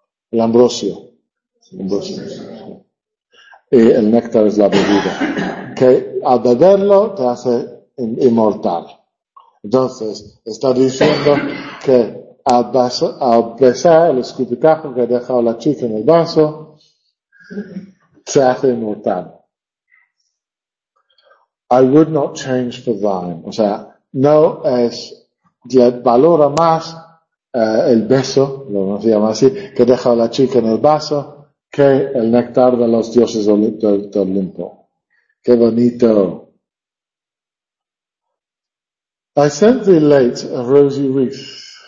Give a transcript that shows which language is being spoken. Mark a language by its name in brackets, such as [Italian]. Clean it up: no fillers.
[Spanish] El ambrosio. El ambrosio. Y el néctar es la bebida. Que al beberlo te hace inmortal. Entonces, está diciendo que al besar el escupitajo que ha dejado la chica en el vaso, se hace inmortal. [English] I would not change for thine. [Spanish] O sea, no es, valora más el beso, lo que se llama así, que deja a la chica en el vaso, que el néctar de los dioses de Olimpo. Qué bonito. [English] I sent thee late a rosy wreath.